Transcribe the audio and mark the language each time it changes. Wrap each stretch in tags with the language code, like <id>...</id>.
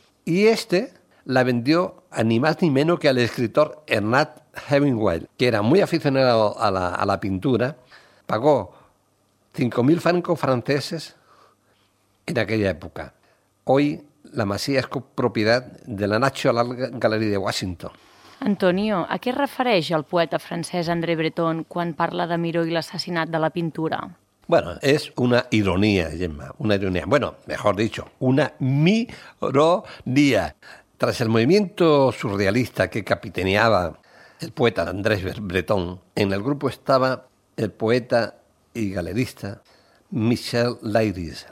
<es>Y este la vendió a ni más ni menos que al escritor Ernest Hemingway, que era muy aficionado a la pintura. Pagó 5.000 francos franceses en aquella época. Hoy la Masía es propiedad de la National Gallery de Washington.</es> <ca>Antonio, a què es refereix el poeta francès André Breton quan parla de Miró i l'assassinat de la pintura?</ca> <es>Bueno, es una ironía, Gemma, una ironía. Bueno, mejor dicho, una mironía. Tras el movimiento surrealista que capitaneaba el poeta André Breton, en el grupo estaba el poeta y galerista Michel Leiris.</es>